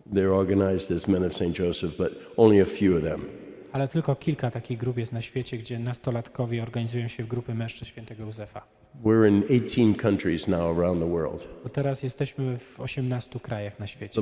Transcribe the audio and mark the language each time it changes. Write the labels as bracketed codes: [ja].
[en] They're organized as men of St. Joseph, but only a few of them. [pl] Ale tylko kilka takich grup jest na świecie, gdzie nastolatkowie organizują się w grupy mężczyzn Świętego Józefa. [en] We're in 18 countries now around the world. [pl] Bo teraz jesteśmy w 18 krajach na świecie.